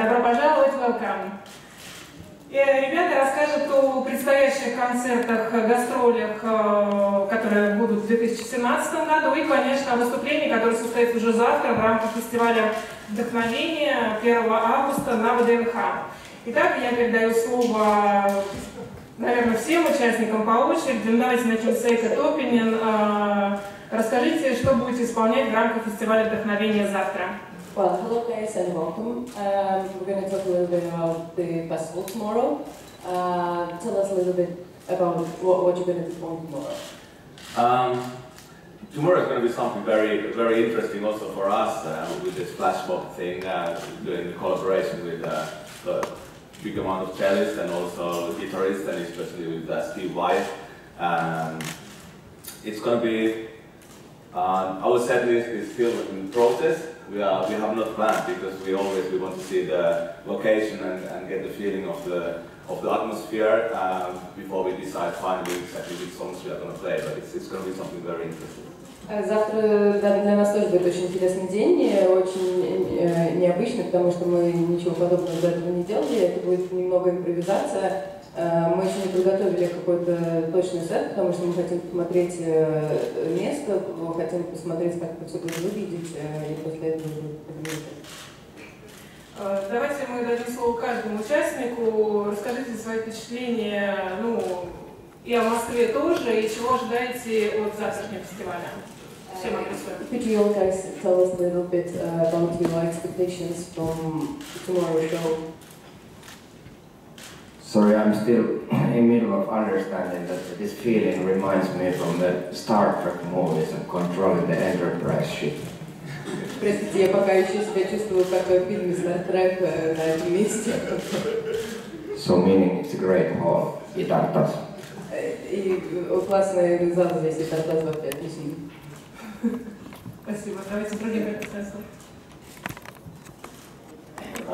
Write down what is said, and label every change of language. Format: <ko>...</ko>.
<ru>Добро пожаловать,</ru> <en>welcome.</en> <ru>И ребята расскажут о предстоящих концертах, гастролях, которые будут в 2017 году, и, конечно, о выступлении, которое состоится уже завтра в рамках фестиваля вдохновения 1 августа на ВДНХ. Итак, я передаю слово, наверное, всем участникам по очереди. Давайте начнем с Эйка Топпинен. Расскажите, что будете исполнять в рамках фестиваля вдохновения завтра.</ru> <en>Well, hello guys and welcome. We're going to talk a little bit about the festival tomorrow. Tell us a little bit about what you're going to perform tomorrow. Tomorrow is going to be something very, very interesting also for us with this flash mob thing, doing the collaboration with a big amount of cellists and also guitarists, and especially with Steve White. It's going to be, our set list is still in process. We have not planned, because we want to see the location and get the feeling of the atmosphere before we decide finally exactly which songs we are going to play. But it's going to be something very interesting.</en> <ru>Завтра для нас тоже будет очень интересный день, очень необычный, потому что мы ничего подобного до этого не делали. Это будет немного импровизация. Мы еще не подготовили какой-то точный сет, потому что мы хотим посмотреть место, хотим посмотреть, как это все будет выглядеть, и после этого будет подниматься. Давайте мы дадим слово каждому участнику. Расскажите свои впечатления, ну, и о Москве тоже, и чего ожидаете от завтрашнего фестиваля.</ru> <en>Could you all guys tell us a little bit about your expectations from tomorrow's show? Sorry, I'm still in the middle of understanding that this feeling reminds me from the Star Trek movies and controlling the Enterprise ship.</en> <ru>Простите, я пока еще себя чувствую как в фильме Star Trek на этом месте.</ru> <en>So meaning it's a great hall,</en> <ru>и так тас. И классный зал здесь, и так тас вообще отличный. Спасибо. Давайте другим предоставим слово.</ru>